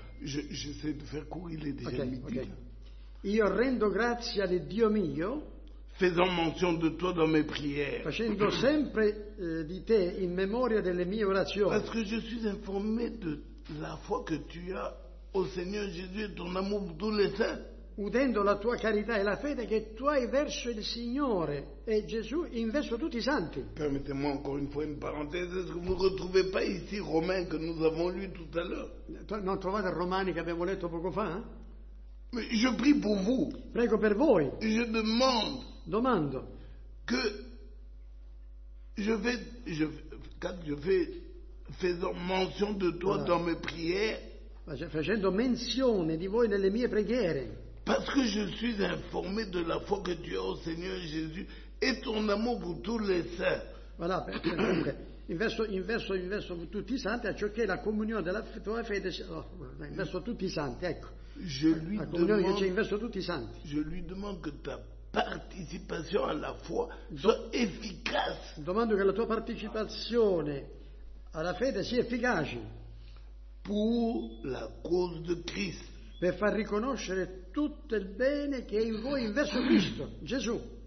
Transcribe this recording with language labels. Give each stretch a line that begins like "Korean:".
French: J'essaie de faire court, il est déjà okay, midi. Okay.
Italian: Io rendo grazie a Dio mio.
French: Faisant mention de toi dans mes prières.
Italian: Facendo sempre di te in memoria delle mie orazioni.
French: Parce que je suis informé de la foi que tu as. Au Seigneur Jésus et ton amour pour tous les saints.
Italian: Udendo la tua carità e la fede che tu hai verso il Signore e Gesù in verso tutti i santi.
French: Permettez-moi encore une fois une parenthèse. Est-ce que vous ne retrouvez pas ici Romains que nous avons lu tout à l'heure?
Italian: Non trovate Romani che abbiamo letto poco fa?
French: Mais je prie pour vous.
Italian: Prego per voi.
French: Je demande.
Italian: Domando.
French: Que je vais faisant mention de toi dans mes prières.
Italian: Facendo menzione di voi nelle mie preghiere.
French: Parce que je suis informé de la foi que tu as au Seigneur Jésus et ton amour pour tous les saints.
Italian: Voilà, perché, in verso tutti i santi, a ciò che la comunione della tua fede. In verso tutti i santi, ecco.
French: Je lui demande que ta participation à la foi soit efficace.
Italian: Domando che la tua partecipazione alla fede sia efficace.
French: Pour la cause de Christ.
Italian: Per far riconoscere tutto il bene che è in voi in verso Cristo, Gesù.